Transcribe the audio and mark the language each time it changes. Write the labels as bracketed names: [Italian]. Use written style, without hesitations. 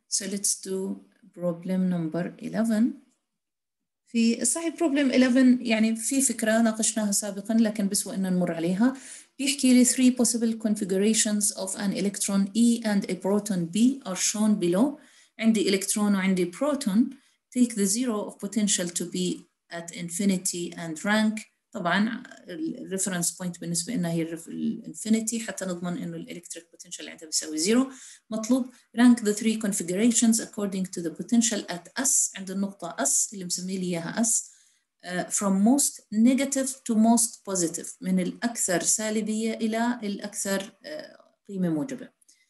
[English] So let's do problem number 11. [Arabic] في صحيح problem 11 يعني في فكرة ناقشناها سابقا لكن بسوى إن نمر عليها. بيحكي لي [English] three possible configurations of an electron E and a proton B are shown below. [Arabic] عندي electron وعندي proton. [English] Take the zero of potential to be at infinity and rank. [Arabic] طبعا [English] reference point [Arabic] بالنسبة إنها هي infinity حتى نضمن إنه electric potential عندها بيساوي zero. مطلوب [English] rank the three configurations according to the potential at S [Arabic] عند النقطة S اللي مسمي لي إياها S. [English] From most negative to most positive, [Arabic] من الأكثر سالبية إلى الأكثر قيمة موجبة.